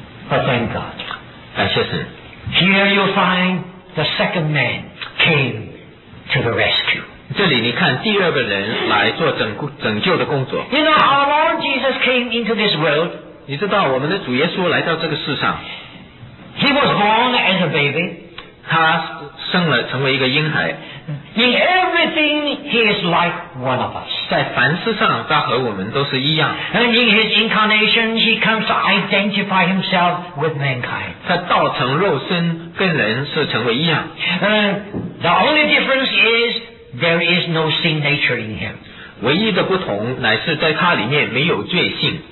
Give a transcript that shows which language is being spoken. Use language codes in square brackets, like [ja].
[en] But thank God [zh] 感谢神 [en] Here you find the second man came to the rescue [zh] 这里你看第二个人来做拯救的工作 [en] You know our Lord Jesus came into this world [zh] 你知道我们的主耶稣来到这个世上 [en] He was born as a baby. [zh] 他生了成为一个婴孩。 [en] In everything, he is like one of us. [zh] 在凡事上，他和我们都是一样。 [en] And in his incarnation, he comes to identify himself with mankind. [zh] 他道成肉身，跟人是成为一样。 [en] The only difference is there is no sin nature in him. [zh] 唯一的不同乃是在他里面没有罪性。